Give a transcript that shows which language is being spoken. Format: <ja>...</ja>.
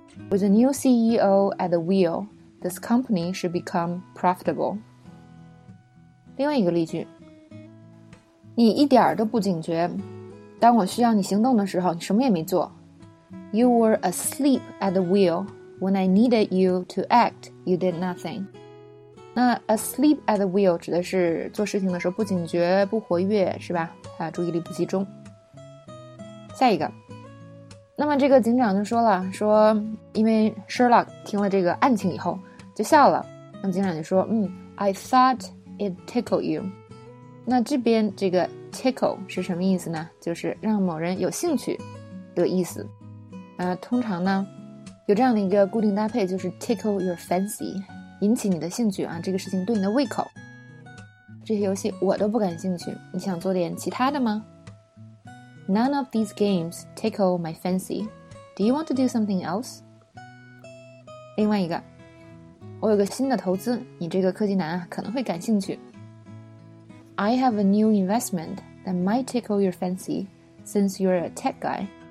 <en>With a new CEO at the wheel, this company should become profitable.</en> <zh>另外一个例句。你一点都不警觉，当我需要你行动的时候，你什么也没做。</zh> <en>You were asleep at the wheel. When I needed you to act, you did nothing.</en> <zh>那 asleep at the wheel 指的是做事情的时候不警觉、不活跃，是吧？啊，注意力不集中。下一个，那么这个警长就说了，说因为 Sherlock 听了这个案情以后就笑了。那么警长就说，</zh> <en>I thought it tickled you.</en> <zh>那这边这个 tickle 是什么意思呢？就是让某人有兴趣的意思。通常呢，有这样的一个固定搭配，就是 tickle your fancy， 引起你的兴趣啊，这个事情对你的胃口。这些游戏我都不感兴趣，你想做点其他的吗？</zh> <en>None of these games tickle my fancy. Do you want to do something else?</en> <zh>另外一个，我有个新的投资，你这个科技男啊可能会感兴趣。</zh> <en>I have a new investment that might tickle your fancy since you're a tech guy.</en>